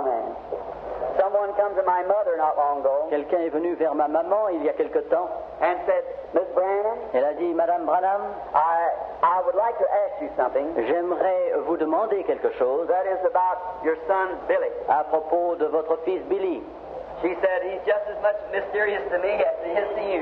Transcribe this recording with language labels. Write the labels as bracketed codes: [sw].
[en] Amen. Someone comes to my mother not long ago. [fr] Quelqu'un est venu vers ma maman il y a quelque temps. [en] And said, Miss Branham. [fr] Elle a dit, Madame Branham. [en] I would like to ask you something. [fr] J'aimerais vous demander quelque chose. [en] That is about your son Billy. [fr] À propos de votre fils Billy. [en] She said he's just as much mysterious to me as he is to you.